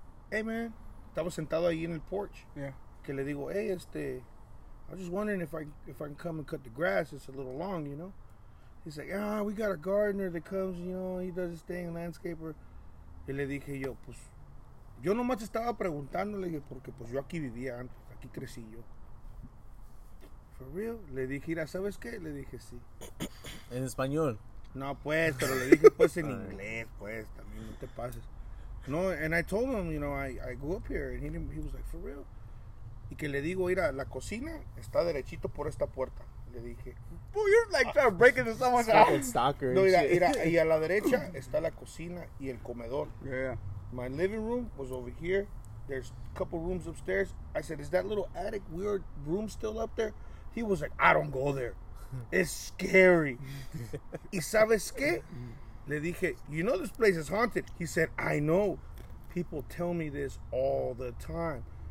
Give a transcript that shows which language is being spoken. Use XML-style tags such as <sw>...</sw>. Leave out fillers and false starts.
<en>Hey, man,</en> <es>estaba sentado ahí en el porch.</es> <en>Yeah.</en> <es>Que le digo,</es> <en>hey, I'm just wondering if I can come and cut the grass. It's a little long, you know? He's like, we got a gardener that comes, you know, he does his thing, landscaper.</en> <es>Y le dije yo, pues, yo nomás estaba preguntándole, porque pues yo aquí vivía antes, aquí crecí yo.</es> <en>For real?</en> <es>Le dije, mira, ¿sabes qué? Le dije, sí. ¿En español? No, pues, pero le dije, pues, en inglés, pues, también, no te pases.</es> <en>No, and I told him, you know, I grew up here, and he was like, for real?</en> <es>Y que le digo, mira, la cocina está derechito por esta puerta. Le dije,</es> <en>boy, you're like trying to break into someone's house. Stalker.</en> <es>No, mira, y a la derecha está la cocina y el comedor.</es> <en>Yeah. My living room was over here. There's a couple rooms upstairs. I said, is that little attic weird room still up there? He was like, I don't go there. It's scary.</en> <es>¿Y sabes qué? Le dije,</es> <en>you know this place is haunted. He said, I know. People tell me this all the time.</en>